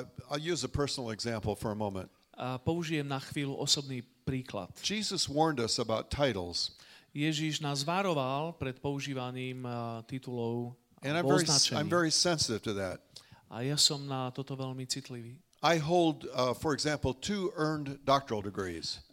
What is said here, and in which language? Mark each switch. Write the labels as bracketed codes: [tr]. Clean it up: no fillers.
[en] I'll use a personal example for a moment. [sk] Použijem na chvíľu osobný príklad. [en] Jesus warned us about titles. [sk] Ježiš nás varoval pred používaním titulov a označení. [en] I'm very sensitive to that. [sk] A ja som na toto veľmi citlivý. [en] I hold, for example, two earned doctoral degrees.